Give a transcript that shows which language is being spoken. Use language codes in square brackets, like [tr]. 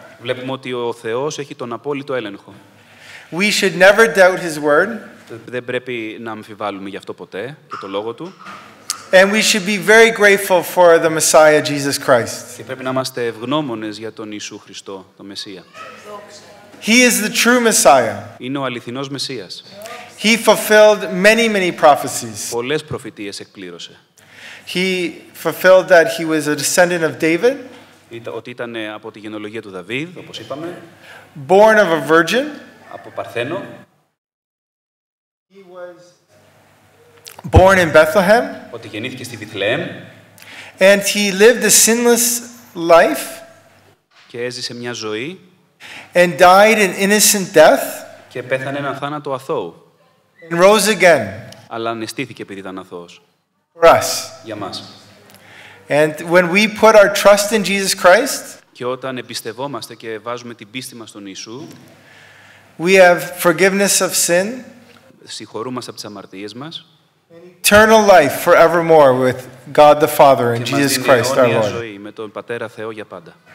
[el] Βλέπουμε ότι ο Θεός έχει τον απόλυτο έλεγχο. [en] We should never doubt His word. [el] Δεν πρέπει να αμφιβάλλουμε γι' αυτό ποτέ και το λόγο του. [en] And we should be very grateful for the Messiah Jesus Christ. [el] Και πρέπει να είμαστε ευγνώμονες για τον Ιησού Χριστό, τον Μεσσία. [en] He is the true Messiah. [el] Είναι ο αληθινός Μεσσίας. [en] He fulfilled many, many prophecies. [el] Πολλές προφητείες εκπλήρωσε. [en] He fulfilled that he was a descendant of David. [el] Ότι ήταν από τη γενεαλογία του Δαβίδ, όπως είπαμε. [en] Born of a virgin. [el] Από Παρθένο. [en] He was born in Bethlehem. [el] Ότι γεννήθηκε στη Βηθλεέμ. [en] And he lived a sinless life. [el] Και έζησε μια ζωή. [en] And died an innocent death. [el] Και πέθανε έναν θάνατο αθώου. [en] And rose again. [el] Αλλά αναστήθηκε επειδή ήταν αθώος. [en] For us. [el] Για μας. [en] And when we put our trust in Jesus Christ. [el] Και όταν εμπιστευόμαστε και βάζουμε την πίστη μας στον Ιησού. [en] We have forgiveness of sin. [el] Συγχωρούμαστε από τις αμαρτίες μας. [en] Eternal life forevermore with God the Father and Jesus Christ our Lord. [el] Ζωή με τον Πατέρα Θεό για πάντα.